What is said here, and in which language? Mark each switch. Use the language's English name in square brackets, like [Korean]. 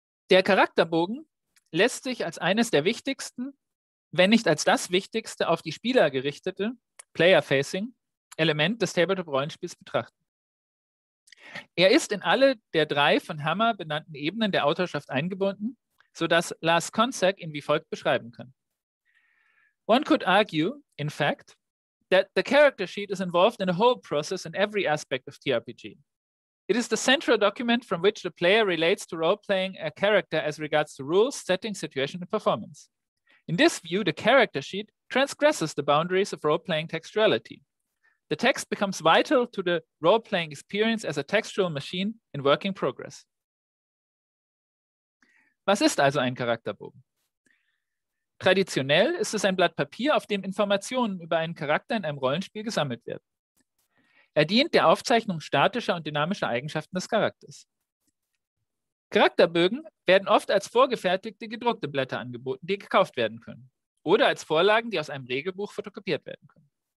[German] Der Charakterbogen lässt sich als eines der wichtigsten, wenn nicht als das wichtigste, auf die Spieler gerichtete Player-Facing-Element des Tabletop-Rollenspiels betrachten. Er ist in alle der drei von Hammer benannten Ebenen der Autorschaft eingebunden, sodass Lars Konczak ihn wie folgt beschreiben kann. [English] One could argue, in fact, that the character sheet is involved in a whole process in every aspect of TRPG. It is the central document from which the player relates to role-playing a character as regards to rules, setting, situation, and performance. In this view, the character sheet transgresses the boundaries of role-playing textuality. The text becomes vital to the role-playing experience as a textual machine in working progress. [German] Was ist also ein Charakterbogen? Traditionell ist es ein Blatt Papier, auf dem Informationen über einen Charakter in einem Rollenspiel gesammelt werden. Er dient der Aufzeichnung statischer und dynamischer Eigenschaften des Charakters. Charakterbögen werden oft als vorgefertigte gedruckte Blätter angeboten, die gekauft werden können, oder als Vorlagen, die aus einem Regelbuch fotokopiert werden können.